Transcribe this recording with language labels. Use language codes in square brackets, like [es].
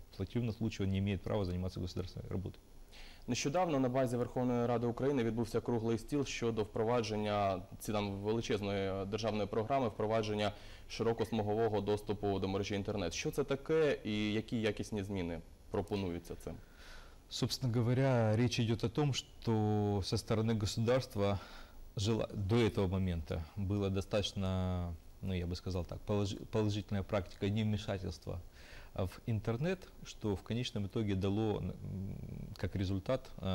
[ru] В противном случае он не имеет права заниматься государственной работой. [uk] Нещодавно на базі Верховної Ради України відбувся круглий стіл щодо впровадження величезної державної програми, впровадження широкосмугового доступу до мережі інтернет. Що це таке і які якісні зміни пропонуються цим? [ru] Собственно говоря, речь идет о том, что со стороны государства до этого момента была достаточно, ну я бы сказал так, положительная практика невмешательства в интернет, что в конечном итоге дало, как результат,